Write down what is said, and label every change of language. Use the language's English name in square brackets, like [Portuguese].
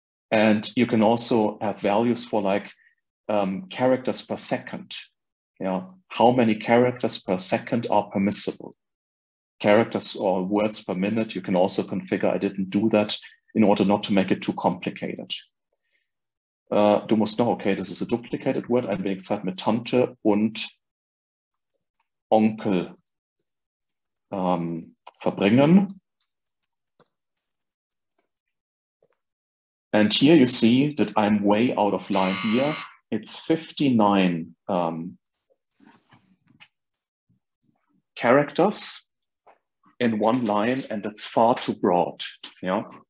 [English] And you can also have values for like characters per second. You know, how many characters per second are permissible? Characters or words per minute, you can also configure. I didn't do that in order not to make it too complicated. [German] Du musst noch, okay, das ist [English] a duplicated word, [German] ein wenig Zeit mit Tante und Onkel verbringen. [English] And here you see that I'm way out of line here. It's 59 characters in one line, and it's far too broad. Yeah.